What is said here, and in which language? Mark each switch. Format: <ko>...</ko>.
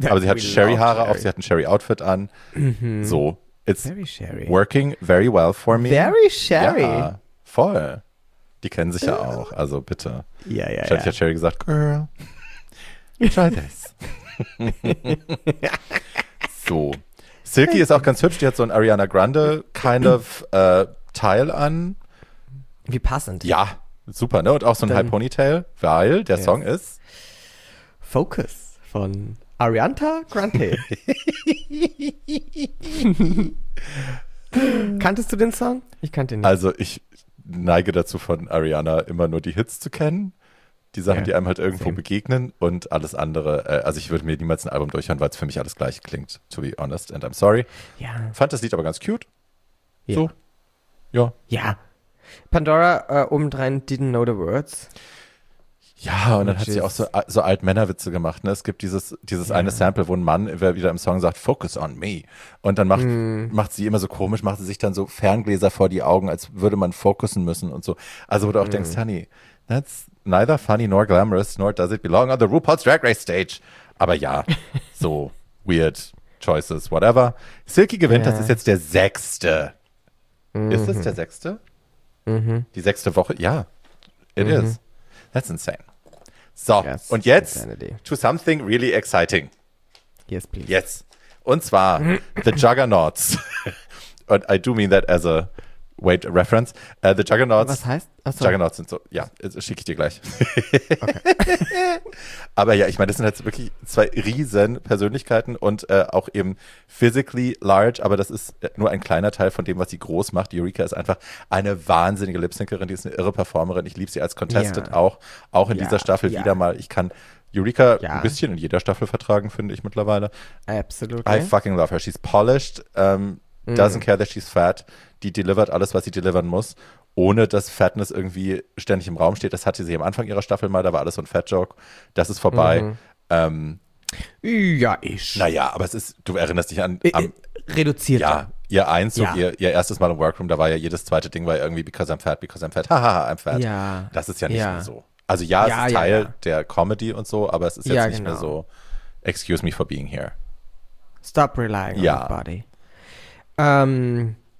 <de>Aber sie hat Sherry-Haare auf, sie hat ein Sherry-Outfit an. Mhm. So.</de> <en>It's very working very well for me. Very Sherry. Ja,</en> <de>voll. Die kennen sich ja auch, also bitte. Ja, ja, ja. Ich hatte Cherry gesagt,</de> <en>girl, try this.</en> <de>So. Silky ist auch ganz hübsch, die hat so ein Ariana Grande kind of Teil an. Wie passend. Ja, super, ne? Und auch so ein High Ponytail, weil der Song ist Focus von Ariana Grande. Kanntest du den Song? Ich kannte ihn nicht. Also ich neige dazu, von Ariana immer nur die Hits zu kennen. Die Sachen, die einem halt irgendwo begegnen und alles andere. Also ich würde mir niemals ein Album durchhören, weil es für mich alles gleich klingt,</de> <en>to be honest. And I'm sorry.</en> <de>Ja. Fand das Lied aber ganz cute. Ja. So. Ja. Ja.</de> <en>Pandora obendrein didn't know the words.</en> <de>Ja, und dann hat sie auch so Alt-Männer-Witze gemacht. Ne? Es gibt dieses eine Sample, wo ein Mann wieder im Song sagt,</de> <en>focus on me.</en> <de>Und dann macht sie immer so komisch, macht sie sich dann so Ferngläser vor die Augen, als würde man focussen müssen und so. Also wo du auch denkst,</de> <en>honey, that's neither funny nor glamorous, nor does it belong on the RuPaul's Drag Race Stage.</en> <de>Aber ja, so</de> <en>weird choices, whatever.</en> <de>Silky gewinnt, das ist jetzt der sechste. Mm-hmm. Ist es der sechste? Mm-hmm. Die sechste Woche? Ja,</de> <en>it is. That's insane.</en> <de>So, und jetzt</de> <en>to something really exciting. Yes, please. Yes.</en> <de>Und zwar</de> <en>the Juggernauts. And I do mean that as a weight reference. The Juggernauts.</en> <de>Was heißt? Achso. Juggernauts sind so, ja, schicke ich dir gleich. Okay. Aber ja, ich meine, das sind jetzt wirklich zwei riesen Persönlichkeiten und auch eben physically large, aber das ist nur ein kleiner Teil von dem, was sie groß macht. Eureka ist einfach eine wahnsinnige Lip-Syncerin, die ist eine irre Performerin. Ich liebe sie als Contestant auch in dieser Staffel wieder mal. Ich kann Eureka ein bisschen in jeder Staffel vertragen, finde ich mittlerweile. Absolut.</de> <en>I fucking love her. She's polished, doesn't care that she's fat.</en> <de>Die delivert alles, was sie delivern muss, ohne dass Fatness irgendwie ständig im Raum steht. Das hatte sie am Anfang ihrer Staffel mal, da war alles so ein Fat-Joke. Das ist vorbei. Naja, aber es ist, du erinnerst dich an reduziert. Ja, ihr Einzug, ihr erstes Mal im Workroom, da war ja jedes zweite Ding, war ja irgendwie,</de> <en>because I'm fat, hahaha, I'm fat.</en> <de>Ja. Das ist ja nicht mehr so. Also ja, es ist Teil der Comedy und so, aber es ist jetzt nicht mehr so,</de> <en>excuse me for being here. Stop relying on your body.</en>